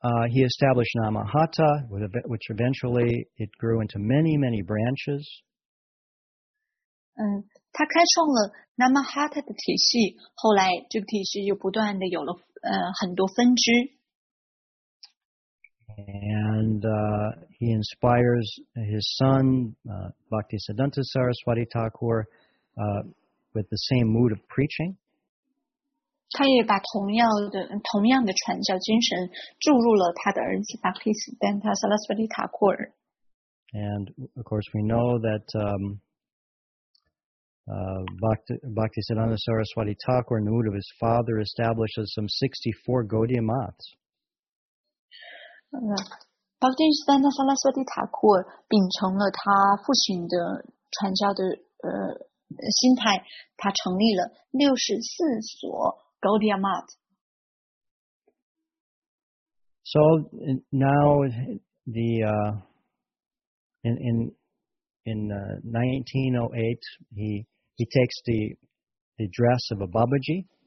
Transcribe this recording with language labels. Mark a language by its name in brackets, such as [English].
[English] He established Namahata, which eventually it grew into many, many branches. [Chinese] 他开创了 Namahata 的体系，后来这个体系又不断的有了很多分支。 [English] And he inspires his son, Bhaktisiddhanta Saraswati Thakur, with the same mood of preaching. [Chinese] 他也把同样的传教精神注入了他的儿子 Bhaktisiddhanta Saraswati Thakur. [English] And of course we know that Bhaktisiddhanta Saraswati Thakur, in the mood of his father, establishes some 64 Gaudiya Maths. [Chinese] Bhaktisiddhanta Saraswati Thakur 秉承了他父亲的传教的心态，他成立了64所 Gaudiya Math. [English] So now the in 1908 he takes the dress of a Babaji.